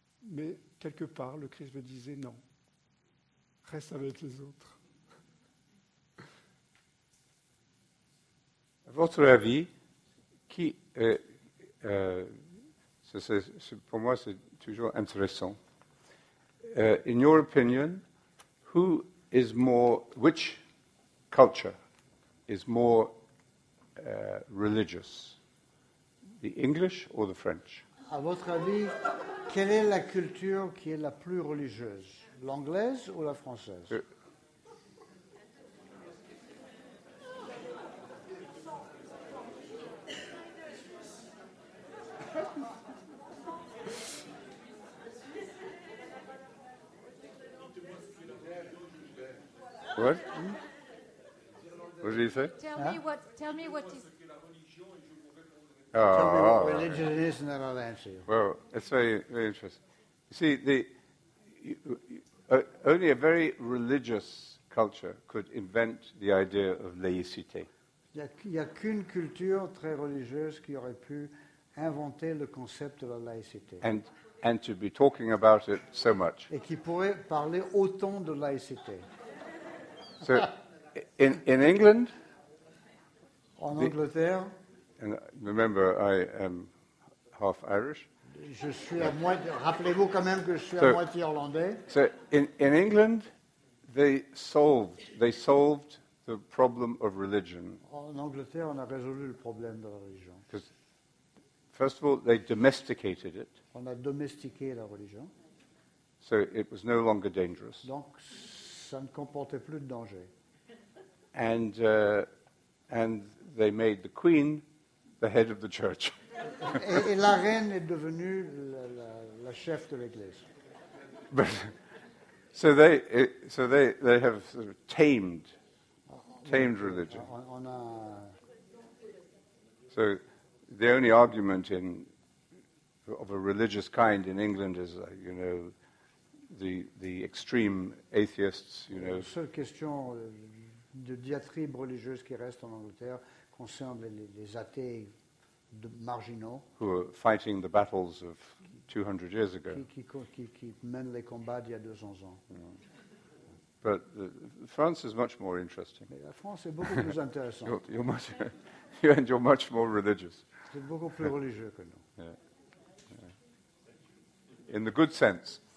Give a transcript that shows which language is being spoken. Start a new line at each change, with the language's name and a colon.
French: Mais quelque part, le Christ me disait non, reste avec les autres. À votre avis, qui c'est, pour moi, c'est toujours intéressant.
English: In your opinion, who is more, which culture is more religious, the English or the French?
French: À votre avis, quelle est la culture qui est la plus religieuse, l'anglaise ou la française?
English: What? What did you say? Tell me what is. Religion is, and then I'll answer you. Well, that's very, very interesting. You see, only a very religious culture could invent the idea of laïcité.
French: Il y a qu'une culture très religieuse qui aurait pu inventer le concept de la laïcité.
English: And to be talking about it so much.
French: Et qui pourrait parler autant de laïcité.
English: So, in England.
French: En Angleterre.
English: And remember, I am half Irish.
French: Je suis à moitié. Rappelez-vous quand même que je suis à moitié irlandais.
English: So in England, they solved the problem of religion.
French: En Angleterre, on a résolu le problème de la religion.
English: Because first of all, they domesticated it.
French: On a domestiqué la religion.
English: So it was no longer dangerous.
French: Donc, ça ne comportait plus de danger.
English: And they made the Queen the head of the church.
French: Et la reine est devenue la chef de l'église.
English: But, so they have sort of tamed religion.
French: On a...
English: So the only argument of a religious kind in England is, you know, the extreme atheists, you know.
French: La seule question de diatribe religieuse qui reste en Angleterre concerne les athées marginaux,
English: who are fighting the battles of 200 years ago.
French: Qui mène les combats d'il y a 200 ans. Mm.
English: But France is much more interesting.
French: Mais la France est beaucoup plus intéressante.
English: you're much more religious.
French: C'est beaucoup plus religieux que nous.
English: Yeah. In the good sense.